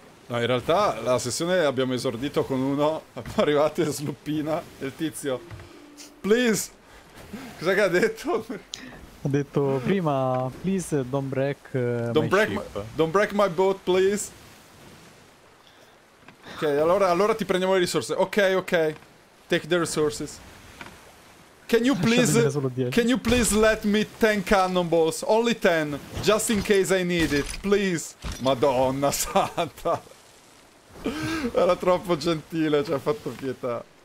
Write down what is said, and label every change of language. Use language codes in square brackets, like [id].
[it] No, in realtà la sessione abbiamo esordito con uno, arrivate sluppina, e il tizio, [en] please, [it] cos'è che ha detto? Ha detto prima, [en] please don't break Don't break my boat, please. [it] Ok, allora ti prendiamo le risorse, ok, [en] take the resources. Can you please let me 10 cannonballs? Only 10, just in case I need it, please. [it] Madonna santa. Era troppo gentile, ci ha fatto pietà.